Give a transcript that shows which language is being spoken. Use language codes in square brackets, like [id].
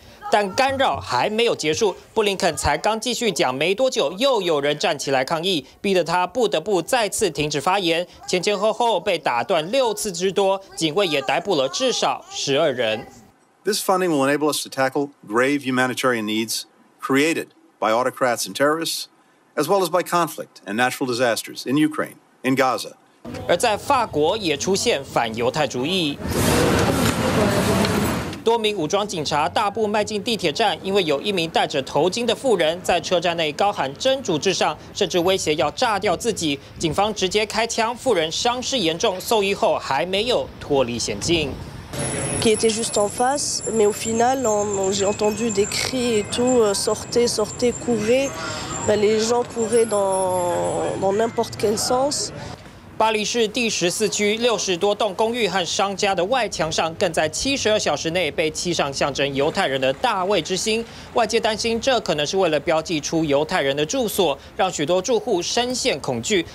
[zh] 但干扰还没有结束，布林肯才刚继续讲没多久，又有人站起来抗议，逼得他不得不再次停止发言，前前后后被打断6次之多，警卫也逮捕了至少12人。 [en] This funding will enable us to tackle grave humanitarian needs created by autocrats and terrorists, as well as by conflict and natural disasters in Ukraine, in Gaza. [zh] 而在法国也出现反犹太主义。多名武装警察大步迈进地铁站，因为有一名戴着头巾的妇人在车站内高喊真主至上，甚至威胁要炸掉自己，警方直接开枪，妇人伤势严重，送医后还没有脱离险境。 [fr] Qui était juste en face, mais au final, j'ai entendu des cris et tout, sortez, sortez, courez. Les gens couraient dans n'importe quel sens. [zh] 巴黎市第14区60多栋公寓和商家的外墙上，更在72小时内被漆上象征犹太人的大卫之星。外界担心，这可能是为了标记出犹太人的住所，让许多住户深陷恐惧。